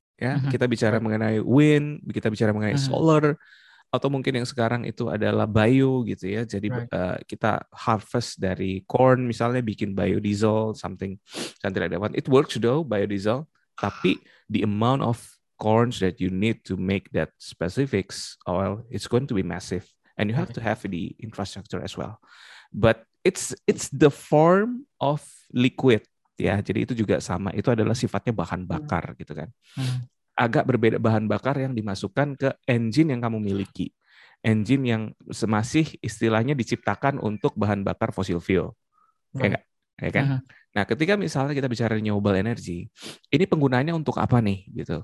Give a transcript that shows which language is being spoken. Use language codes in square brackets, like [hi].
[id] Ya, kita bicara mengenai wind, kita bicara mengenai solar, atau mungkin yang sekarang itu adalah bio gitu ya. Jadi kita [en] harvest dari corn [id] misalnya bikin [en] biodiesel, something, something like that. It works though, biodiesel, [id] tapi [en] the amount of corns that you need to make that specific oil, it's going to be massive. And you have to have the infrastructure as well. But it's the form of liquid. [id] Ya, jadi itu juga sama. Itu adalah sifatnya bahan bakar, gitu kan. Agak berbeda bahan bakar yang dimasukkan ke engine yang kamu miliki. Engine yang masih istilahnya diciptakan untuk bahan bakar fossil fuel. Ya enggak? Ya kan? Nah, ketika misalnya kita bicara renewable energy, ini penggunaannya untuk apa nih? Gitu.